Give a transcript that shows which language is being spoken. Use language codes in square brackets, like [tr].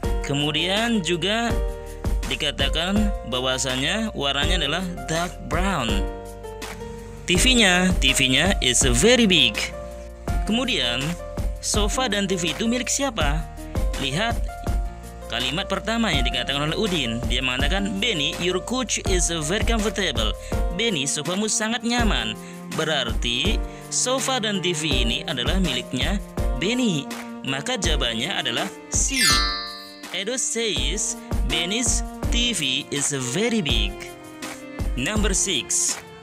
[id] Kemudian juga dikatakan bahwasannya warnanya adalah dark brown. TV-nya [en] is very big. [id] Kemudian, sofa dan TV itu milik siapa? Lihat kalimat pertama yang dikatakan oleh Udin. Dia mengatakan, Benny, [en] your couch is very comfortable. [id] Benny, sofamu sangat nyaman. Berarti, sofa dan TV ini adalah miliknya Benny. Maka jawabannya adalah C. [en] Edo says, Benny's TV is very big. Number 6.